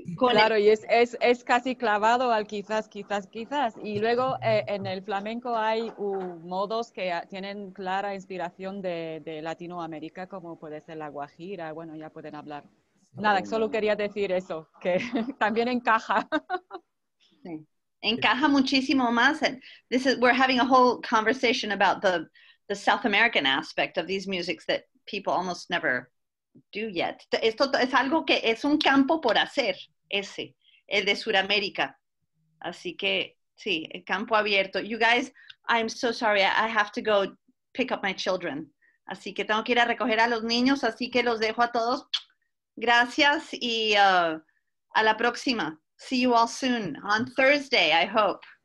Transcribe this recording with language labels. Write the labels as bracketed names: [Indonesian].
[Spanish] Claro, y es casi clavado al quizás, quizás, quizás. Y luego en el flamenco hay modos que tienen clara inspiración de Latinoamérica, como puede ser la guajira, bueno, ya pueden hablar. Nada, solo quería decir eso, que también encaja. Sí. Encaja muchísimo más. [English] We're having a whole conversation about the South American aspect of these musics that people almost never do yet. [Spanish] Esto es algo que es un campo por hacer, ese, el de Sudamérica. Así que, sí, el campo abierto. [English] You guys, I'm so sorry, I have to go pick up my children. [Spanish] Así que tengo que ir a recoger a los niños, así que los dejo a todos. Gracias y a la próxima. [English] See you all soon, on Thursday, I hope.